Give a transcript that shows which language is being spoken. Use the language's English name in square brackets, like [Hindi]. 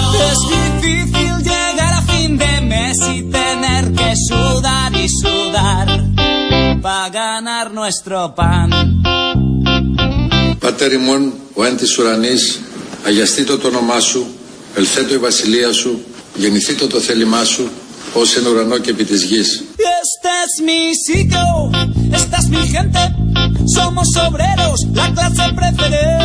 [Spanish] Es difícil llegar a fin de mes y tener que sudar y sudar para ganar nuestro pan. [Greek] Πατέρ ημών, ο εν της ουρανής, αγιαστήτω το όνομά σου, ελθέτω η βασιλεία σου, γεννηθήτω το θέλημά σου, ως εν ουρανό και επί της γης. [Spanish] Este es mi sitio, esta es mi gente, somos obreros, la clase preferente.